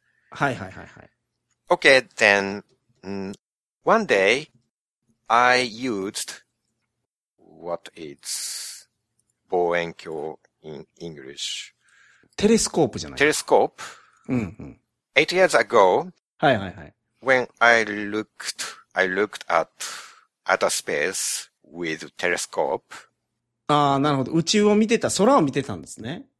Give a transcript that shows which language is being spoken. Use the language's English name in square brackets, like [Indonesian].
[Japanese] はいはいはいはい。 [English] Okay, then, one day, I used, what is, 望遠鏡 in English? [Japanese] テレスコープじゃない？テレスコープ。うんうん。 [English] Eight years ago,、 [Japanese] はいはいはい、 [English] when I looked at outer space with telescope. [Japanese] ああ、なるほど。宇宙を見てた、空を見てたんですね。